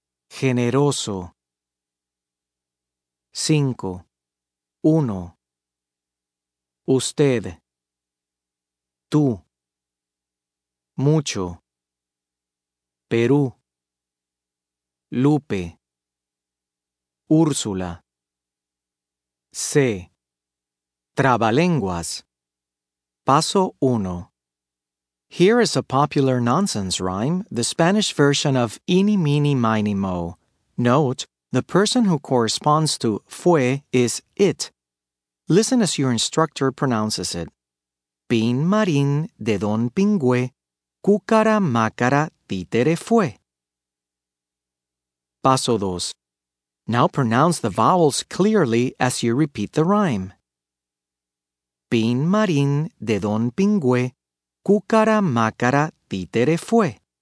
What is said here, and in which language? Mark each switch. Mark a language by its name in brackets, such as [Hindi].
[Spanish] Generoso. Cinco. Uno. Usted. Tú. Mucho. Perú. Lupe. Úrsula. C. Trabalenguas. Paso 1. [English] Here is a popular nonsense rhyme, the Spanish version of Eeny, Meeny, Miny, Mo. Note, the person who corresponds to fue is it. Listen as your instructor pronounces it. [Spanish] Pin marín de don pingüe, cúcara mácara títere fue. Paso 2. [English] Now pronounce the vowels clearly as you repeat the rhyme. [Spanish] Pin marín de don pingüe, cúcara mácara títere fue.